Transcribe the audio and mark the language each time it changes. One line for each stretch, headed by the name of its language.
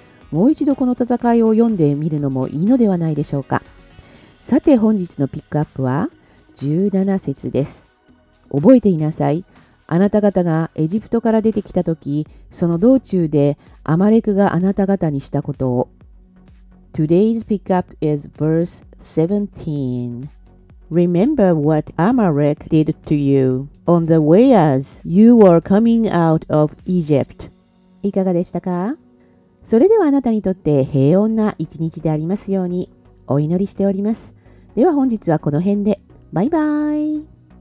Japanese: もう一度この戦いを読んでみるのもいいのではないでしょうか。さて本日のピックアップは17節です。覚えていなさい、あなた方がエジプトから出てきた時、その道中でアマレクがあなた方にしたことを。
English: Today's pick up is verse 17. Remember what Amalek did to you on the way as you were coming out of Egypt.
Japanese: いかがでしたか？それではあなたにとって平穏な一日でありますようにお祈りしております。では本日はこの辺で。バイバイ。